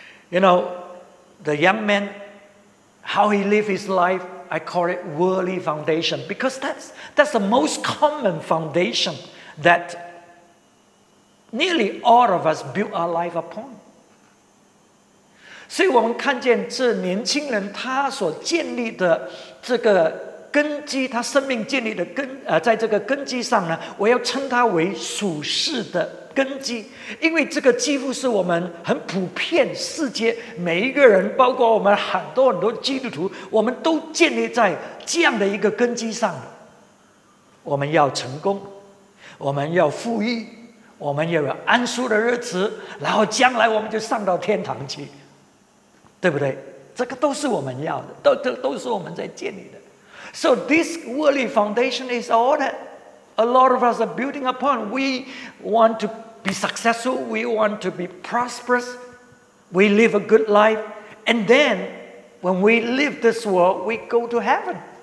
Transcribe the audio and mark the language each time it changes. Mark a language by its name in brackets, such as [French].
[English] You know, the young man, how he lived his life, I call it worldly foundation, because that's the most common foundation that nearly all of us build our life upon. [Chinese] 所以我们看见这年轻人他所建立的这个根基，他生命建立的根，在这个根基上呢，我要称他为属世的根基，因为这个几乎是我们很普遍世界每一个人，包括我们很多很多基督徒，我们都建立在这样的一个根基上。我们要成功，我们要富裕，我们要有安舒的日子，然后将来我们就上到天堂去，对不对？这个都是我们要的， 都是我们在建立的。 [English] So this worldly foundation is all that a lot of us are building upon. We want to be successful, we want to be prosperous, we live a good life, and then when we leave this world, we go to heaven.